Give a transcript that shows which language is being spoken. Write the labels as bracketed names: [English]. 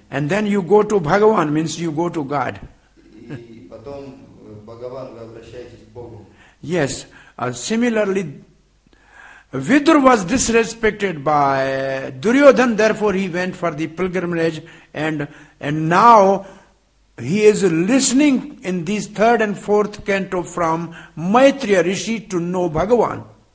[English] And then you go to Bhagavan, means you go to God. [Russian] И потом Бхагаван вы обращаетесь к Богу. [English] Yes. Similarly, Vidur was disrespected by Duryodhan, therefore he went for the pilgrimage, and now he is listening in this third and fourth canto from Maitreya Rishi to know Bhagavan.